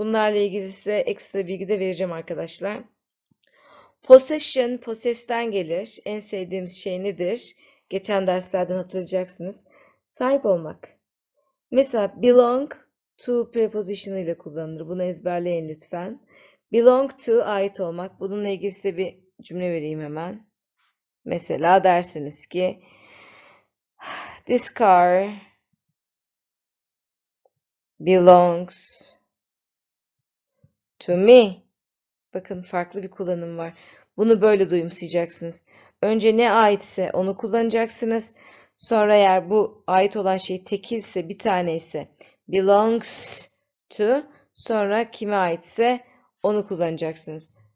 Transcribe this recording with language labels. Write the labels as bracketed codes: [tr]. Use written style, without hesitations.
[tr] Bunlarla ilgili size ekstra bilgi de vereceğim arkadaşlar. Possession possess'ten gelir. En sevdiğimiz şey nedir? Geçen derslerden hatırlayacaksınız. Sahip olmak. Mesela belong to preposition ile kullanılır. Bunu ezberleyin lütfen. Belong to ait olmak. Bununla ilgili size bir cümle vereyim hemen. Mesela dersiniz ki [en] this car belongs to me. [tr] Bakın farklı bir kullanım var. Bunu böyle duyumsayacaksınız. Önce ne aitse onu kullanacaksınız. Sonra eğer bu ait olan şey tekilse, bir taneyse belongs to, sonra kime aitse onu kullanacaksınız.